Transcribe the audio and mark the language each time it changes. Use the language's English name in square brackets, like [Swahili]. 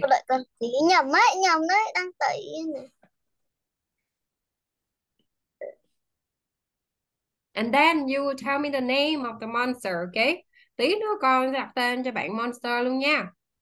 [Vietnamese] Đợi con tí nhầm đấy đang tẩy này. [English] And then you will tell me the name of the monster, okay? [Vietnamese] Tí nữa con sẽ đặt tên cho bạn monster luôn nha.